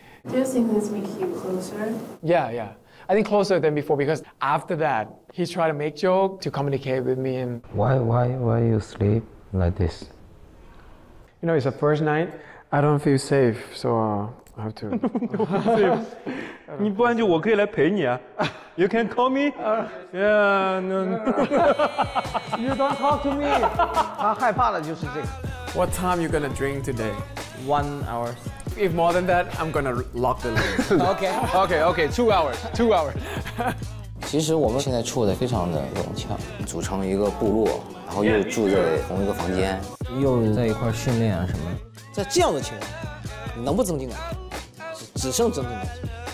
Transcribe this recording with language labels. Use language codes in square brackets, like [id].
[en] Do you think this makes you closer? Yeah, yeah. I think closer than before because after that, he tried to make joke to communicate with me and. Why you sleep like this? You know, it's the first night. I don't feel safe, so I have to. Safe. [zh] 你不然就我可以来陪你啊。 [en] You can call me. No. You don't talk to me. [zh] 他害怕的就是这个。 [en] What time you gonna drink today? 1 hour. If more than that, I'm gonna lock the door. Okay. Two hours. [zh] 其实我们现在处得非常的融洽，组成一个部落，然后又住在同一个房间，又在一块训练啊什么的。在这样的情况，你能不增进感情？只剩增进感情。